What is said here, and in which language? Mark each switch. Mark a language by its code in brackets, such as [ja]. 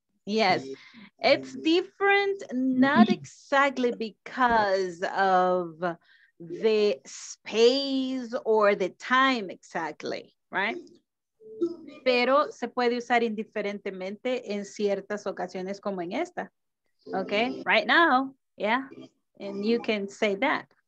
[en] Yes, it's different, not exactly because of the space or the time exactly, right? [es] Pero se puede usar indiferentemente en ciertas ocasiones como en esta. [en] Okay, right now, yeah, and you can say that.